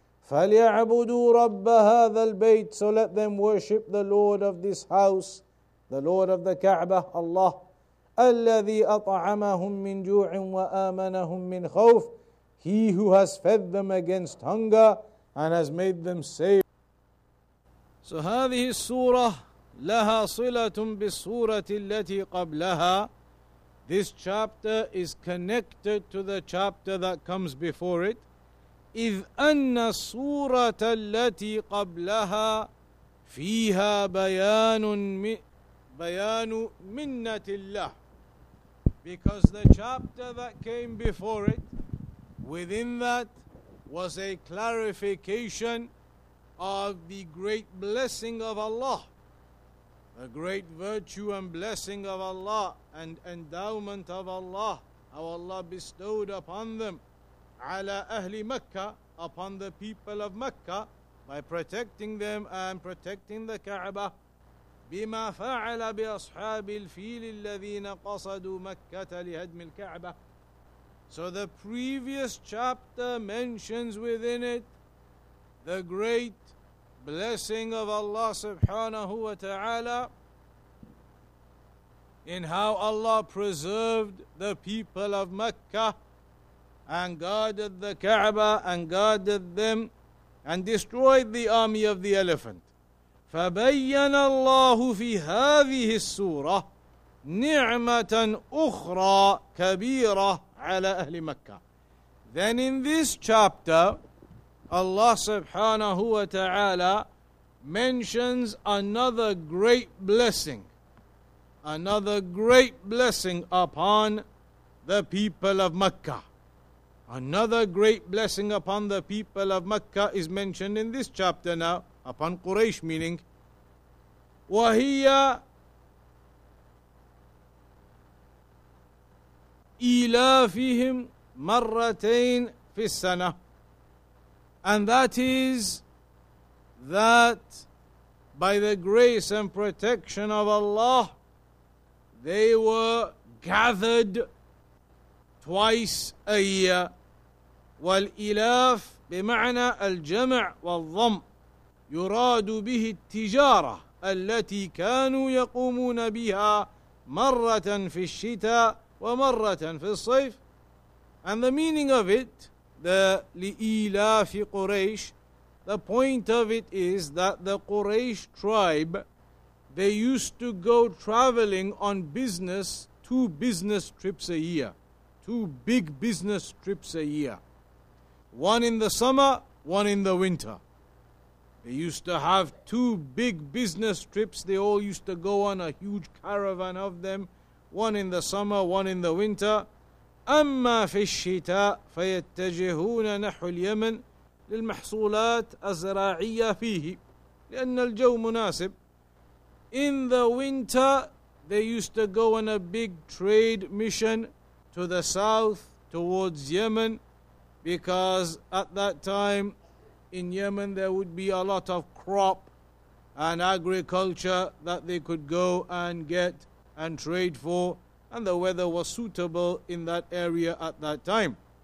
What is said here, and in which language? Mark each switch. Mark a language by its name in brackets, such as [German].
[Arabic] فَلْيَعْبُدُوا رَبَّ هَذَا الْبَيْتِ. [English] So let them worship the Lord of this house, the Lord of the Kaaba, Allah. [Arabic] الَّذِي أَطْعَمَهُمْ مِنْ جُوعٍ وَآمَنَهُمْ مِنْ خَوْفٍ. [English] He who has fed them against hunger and has made them safe. [Arabic] So هذه السورة لها صلة بالسورة التي قبلها. [English] This chapter is connected to the chapter that comes before it. [Arabic] إِذْ أَنَّ السُّورَةَ الَّتِي قَبْلَهَا فِيهَا بَيَانُ مِنَّةِ اللَّهِ. [English] Because the chapter that came before it, within that was a clarification of the great blessing of Allah, the great virtue and blessing of Allah and endowment of Allah, how Allah bestowed upon them, [Arabic] ala ahli Makkah, [English] upon the people of Makkah, by protecting them and protecting the Kaaba. [Arabic] بما فعل بأصحاب الفيل الذين قصدوا مكة لهدم الكعبة. [English] So the previous chapter mentions within it the great blessing of Allah subhanahu wa ta'ala in how Allah preserved the people of Mecca and guarded the Kaaba and guarded them and destroyed the army of the elephant. [Arabic] فَبَيَّنَ اللَّهُ فِي هَذِهِ السُّورَةِ نِعْمَةً أُخْرَى كَبِيرَةً عَلَى أَهْلِ مَكَّةِ. [English] Then in this chapter, Allah subhanahu wa ta'ala mentions another great blessing, another great blessing upon the people of Mecca. Another great blessing upon the people of Mecca is mentioned in this chapter now, upon Quraysh meaning. [Arabic] وهي إيلافهم مرتين في السنة. [English] And that is that by the grace and protection of Allah, they were gathered twice a year. [Arabic] والإلاف بمعنى الجمع والضم يراد به التجارة التي كانوا يقومون بها مرة في الشتاء ومرة في الصيف. [English] And the meaning of it, the [Arabic] لإلاف قريش, [English] the point of it is that the Quraysh tribe, they used to go traveling on business, two business trips a year, two big business trips a year, one in the summer, one in the winter. They used to have two big business trips. They all used to go on a huge caravan of them, one in the summer, one in the winter. [Arabic] أما في الشتاء فيتجهون نحو اليمن للمحصولات الزراعية فيه لأن الجو مناسب. [English] In the winter, they used to go on a big trade mission to the south towards Yemen, because at that time in Yemen there would be a lot of crop and agriculture that they could go and get and trade for, and the weather was suitable in that area at that time.